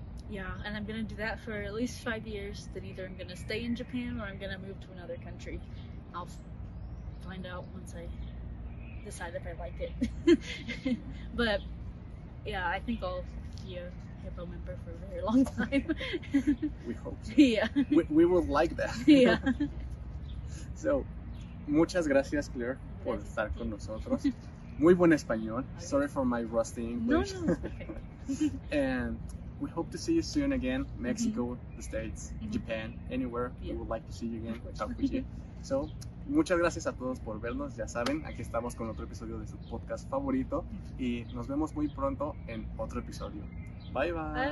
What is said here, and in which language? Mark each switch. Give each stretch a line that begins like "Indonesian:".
English: Yeah, and I'm gonna do that for at least 5 years. Then either I'm gonna stay in Japan or I'm gonna move to another country. I'll find out once I decide if I like it. But yeah, I think I'll be a HIPPO member for a very long time. We hope so. Yeah. We would like that. Yeah.
Spanish: So, muchas gracias, Claire, por estar con nosotros. Muy buen español.
English: Sorry for my rusty English. No, okay. And we hope to see you soon again, Mexico, the States, Japan, anywhere. We would like to see you again, talk with you.
Spanish: So, muchas gracias a todos por vernos. Ya saben, aquí estamos con otro episodio de su podcast favorito. Y nos vemos muy pronto en otro episodio. Bye, bye.